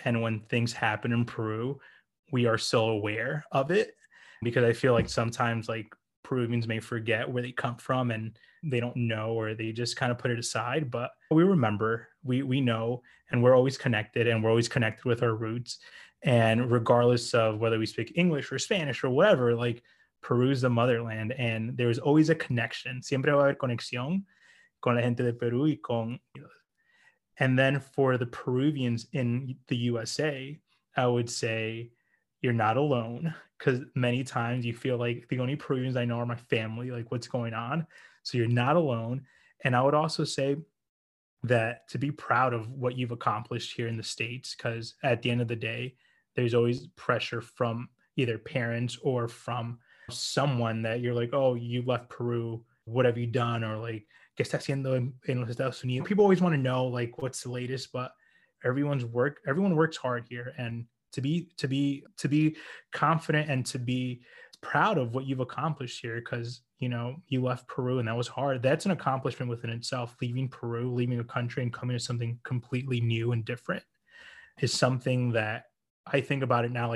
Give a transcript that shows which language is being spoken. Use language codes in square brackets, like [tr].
[en] And when things happen in Peru, we are still aware of it because I feel like sometimes like Peruvians may forget where they come from and they don't know, or they just kind of put it aside, but we remember, we know, and we're always connected and we're always connected with our roots. And regardless of whether we speak English or Spanish or whatever, like Peru's the motherland and there's always a connection. [es] Siempre va a haber conexión con la gente de Peru y con. [en] And then for the Peruvians in the USA, I would say, you're not alone, because many times you feel like the only Peruvians I know are my family, like what's going on? So you're not alone. And I would also say that to be proud of what you've accomplished here in the States, because at the end of the day, there's always pressure from either parents or from someone that you're like, oh, you left Peru, what have you done? Or like, [es] ¿qué está haciendo en los Estados Unidos? [en] People always want to know like what's the latest, but everyone works hard here. And to be confident and to be proud of what you've accomplished here, because you know you left Peru and that was hard. That's an accomplishment within itself. Leaving Peru, leaving a country and coming to something completely new and different is something that I think about it now.